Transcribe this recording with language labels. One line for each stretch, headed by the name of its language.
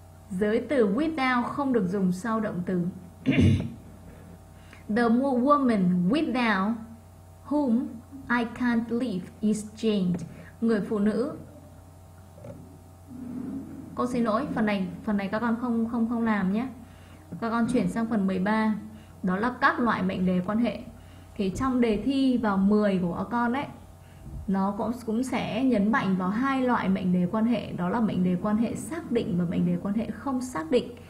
Vietnamese: Giới từ without không được dùng sau động từ.
English: The woman without whom I can't live is Jane.
Vietnamese: Người phụ nữ. Cô xin lỗi, phần này các con không không không làm nhé. Các con chuyển sang phần 13. Đó là các loại mệnh đề quan hệ. Thì trong đề thi vào 10 của con ấy, nó cũng sẽ nhấn mạnh vào hai loại mệnh đề quan hệ, đó là mệnh đề quan hệ xác định và mệnh đề quan hệ không xác định.